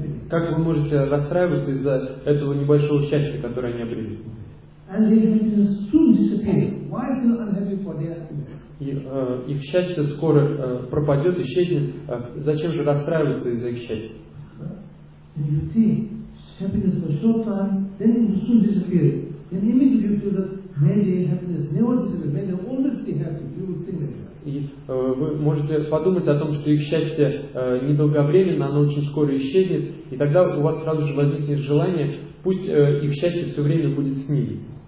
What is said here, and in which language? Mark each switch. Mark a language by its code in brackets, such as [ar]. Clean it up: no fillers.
[ru] Как вы можете расстраиваться из-за этого небольшого счастья, которое они обрели? [en] And their happiness soon disappeared. Why are you unhappy for their happiness? [ru] Их счастье скоро пропадет, исчезнет. Зачем же расстраиваться из-за их счастья? [en] And you see, happiness for a short time, then it soon disappears. Then immediately you feel that maybe happiness never disappears. Maybe they'll always be happy. You would think that. [ru] И вы можете подумать о том, что их счастье недолговременно, оно очень скоро исчезнет, и тогда у вас сразу же возникнет желание, пусть их счастье все время будет с ними.